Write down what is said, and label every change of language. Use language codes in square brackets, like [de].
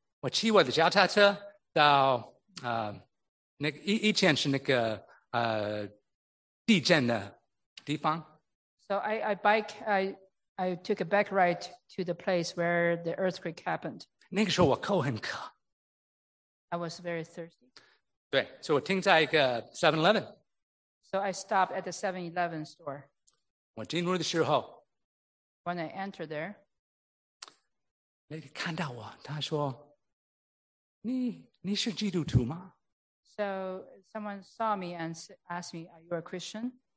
[zh] 我骑我的脚踏车到那个以前是那个地震的地方。 [en] So I took a bike ride to the place where the earthquake happened. [zh] 那个时候我口很渴。 [en] I was very thirsty. [zh] 对，所以我停在一个 7-Eleven. [en] So I stopped at the 7-Eleven store. [zh] 我进入的时候。 [en] When I entered there. [zh] 那个看到我，他说，你是基督徒吗？ [en] So someone saw me and asked me, are you a Christian?